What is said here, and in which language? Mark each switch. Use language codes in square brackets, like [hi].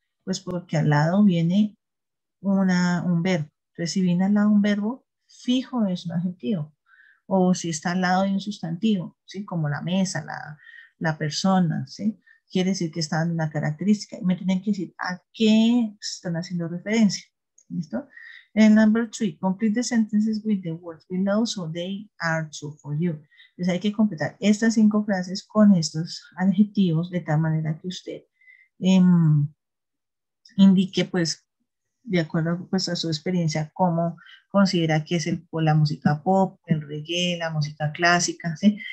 [es] Pues porque al lado viene un verbo. Entonces, si viene al lado un verbo, fijo es un adjetivo. O si está al lado de un sustantivo, ¿sí? Como la mesa, la persona, ¿sí? Quiere decir que está dando una característica. Me tienen que decir a qué están haciendo referencia. ¿Listo? [en] En number three, complete the sentences with the words below so they are true for you. [es] Entonces hay que completar estas cinco frases con estos adjetivos de tal manera que usted indique, pues, de acuerdo pues a su experiencia, cómo considera que es la música pop, el reggae, la música clásica, ¿sí?